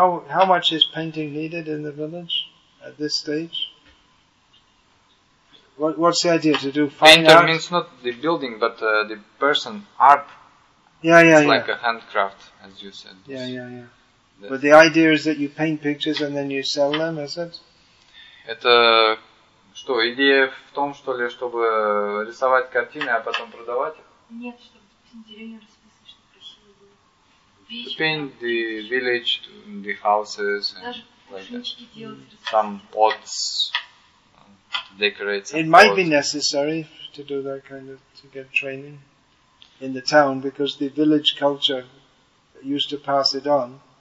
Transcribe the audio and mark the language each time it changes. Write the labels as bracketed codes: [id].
[en] How much is painting needed in the village at this stage? What's the idea to do fine painter art? Painter means not the building, but the person, art. Yeah. It's like a handcraft, as you said. Yeah. But the idea is that you paint pictures and then you sell them, is it? [ru] Это что, идея в том, что ли, чтобы рисовать картины, а потом продавать их? Нет, чтобы деревню расписывать, чтобы красиво было. [en] To paint the village, the houses, and like that. Some pots, decorate some pots. It might be necessary to do that kind of, to get training in the town, because the village culture used to pass it on.